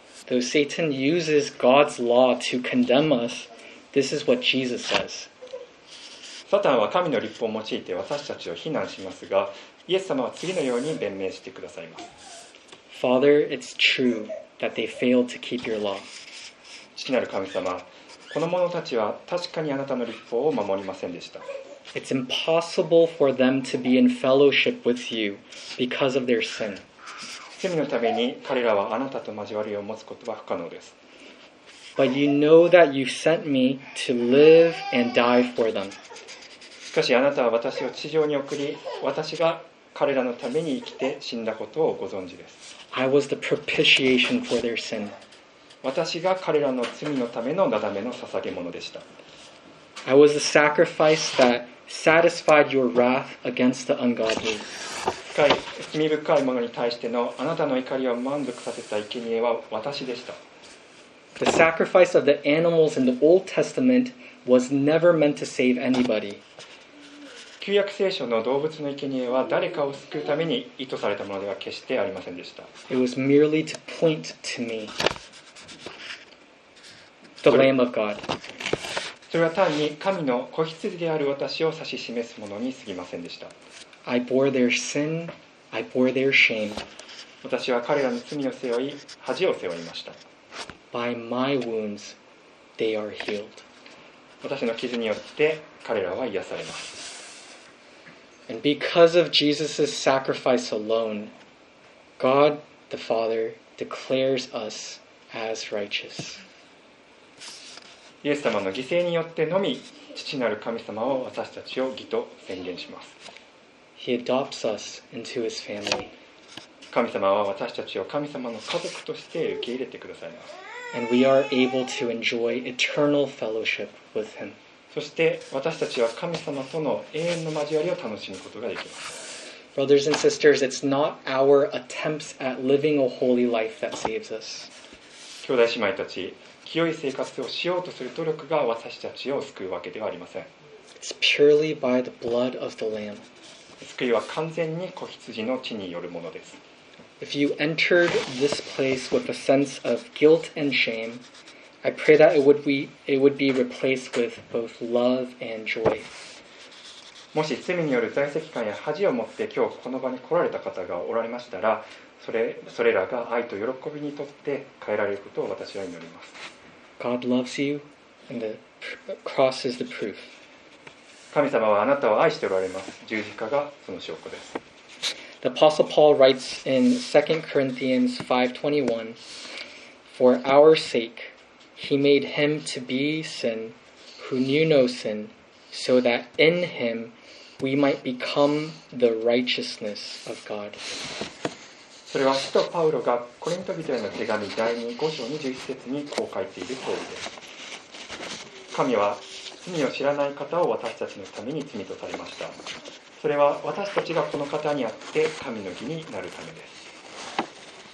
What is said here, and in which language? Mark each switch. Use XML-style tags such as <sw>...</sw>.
<en>Though Satan uses God's law to condemn us, this is what Jesus says.</en> <ja>サタンは神の律法を用いて私たちを非難しますが、イエス様は次のように弁明してくださいます。</ja> <en>Father, it's true that they failed to keep your law.</en> <ja>父なる神様、この者たちは確かにあなたの律法を守りませんでした。</ja> <en>It's impossible for them to be in fellowship with you because of their sin.</en> <ja>罪のために彼らはあなたと交わりを持つことは不可能です。</ja> <en>But you know that you sent me to live and die for them.</en> <ja>しかしあなたは私を地上に送り、私が彼らのために生きて死んだことをご存知です。</ja> <en>I was the propitiation for their sin.</en> <ja>私が彼らの罪のためのなだめの捧げ物でした。</ja> <en>I was the sacrifice that satisfied your wrath against the ungodly.</en> <ja>罪深いものに対してのあなたの怒りを満足させた生贄は私でした。</ja> <en>The sacrifice of the animals in the Old Testament was never meant to save anybody.</en> <ja>旧約聖書の動物の生贄は誰かを救うために意図されたものでは決してありませんでした。</ja> <en>It was merely to point to me. The Lamb of God.</en> <ja>それは単に神の子羊である私を指し示すものに過ぎませんでした。</ja> <en>I bore their sin, I bore their shame.</en> <ja>私は彼らの罪を背負い、恥を背負いました。</ja> <en>By my wounds, they are healed.</en> <ja>私の傷によって彼らは癒されます。</ja> <en>And because of Jesus' sacrifice alone, God the Father declares us as righteous.</en> <ja>イエス様の犠牲によってのみ、父なる神様は私たちを義と宣言します。</ja> <en>He adopts us into his family.</en> <ja>神様は私たちを神様の家族として受け入れてくださいます。</ja> <en>And we are able to enjoy eternal fellowship with him.</en> <ja>そして私たちは神様との永遠の交わりを楽しむことができます。</ja> <en>Brothers and sisters, it's not our attempts at living a holy life that saves us.</en> <ja>兄弟姉妹たち、清い生活をしようとする努力が私たちを救うわけではありません。</ja> <en>It's purely by the blood of the Lamb.</en> <ja>救いは完全に子羊の血によるものです。</ja> <en>If you entered this place with a sense of guilt and shame, I pray that it would be replaced with both love and joy.</en> <ja>もし罪による在籍感や恥を持って今日この場に来られた方がおられましたら、それらが愛と喜びにとって変えられることを私は祈ります。</ja> <en>God loves you, and the cross is the proof.</en> <ja>神様はあなたを愛しておられます。十字架がその証拠です。</ja> <en>The Apostle Paul writes in 2 Corinthians 5:21, For our sake, he made him to be sin, who knew no sin, so that in him we might become the righteousness of God.</en> <ja>それは使徒パウロがコリント人への手紙第2章21節にこう書いている通りです。神は罪を知らない方を私たちのために罪とされました。それは私たちがこの方にあって神の義になるためです。</ja>